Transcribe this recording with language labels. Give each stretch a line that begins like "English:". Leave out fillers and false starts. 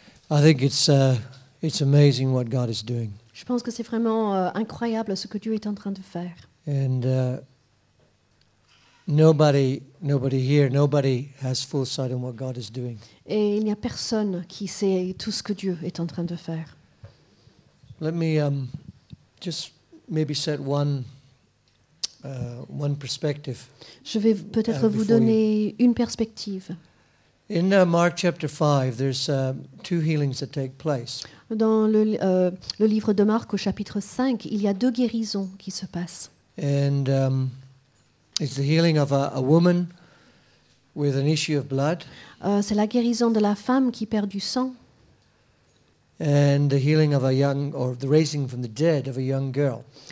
English: I think it's amazing what God is doing.
French: Je pense que c'est vraiment incroyable ce que Dieu est en train de faire.
English: And nobody here, nobody has full sight on what God is doing.
French: Et il n'y a personne qui sait tout ce que Dieu est en train de faire.
English: Let me just maybe set one perspective.
French: Je vais peut-être vous donner une perspective.
English: In Mark chapter 5, there's two healings that take place.
French: Dans le livre de Marc, au chapitre 5, il y a deux guérisons qui se passent.
English: And it's the healing of a woman with an issue of blood.
French: C'est la guérison de la femme qui perd du sang.
English: And the healing of a young, or the raising from the dead of a young girl.